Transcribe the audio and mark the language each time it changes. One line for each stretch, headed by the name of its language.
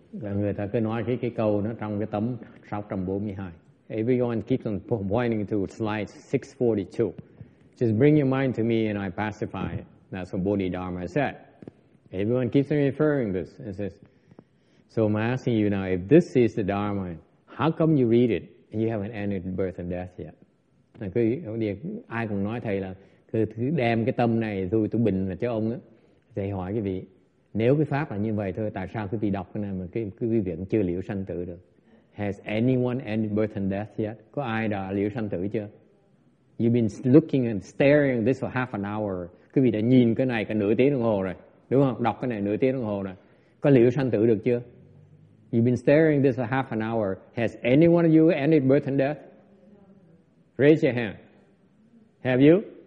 Vietnamese: Người ta cứ nói cái câu nó trong cái tấm 642.
English: Everyone keeps on pointing to slide 642. Just bring your mind to me and I pacify it. That's what Bodhidharma said. Everyone keeps on referring this. It says, so I'm asking you now, if this is the Dharma, how come you read it and you haven't ended birth and death yet?
Vietnamese: Ai cũng nói thầy là cứ đem cái tâm này tôi bình cho ông á. Thầy hỏi quý vị, nếu cái pháp là như vậy thôi, tại sao quý vị đọc cái này mà quý vị vẫn chưa liễu sanh tử được?
English: Has anyone ended birth and death yet?
Vietnamese: Có ai đã liễu sanh tử chưa?
English: You've been looking and staring at this for half an hour.
Vietnamese: Quý vị đã nhìn cái này cả nửa tiếng đồng hồ rồi. Đúng không? Đọc cái này nửa tiếng đồng hồ rồi. Có liễu sanh tử được chưa?
English: You've been staring at this for half an hour. Has anyone of you ended birth and death? Raise your hand. Have you?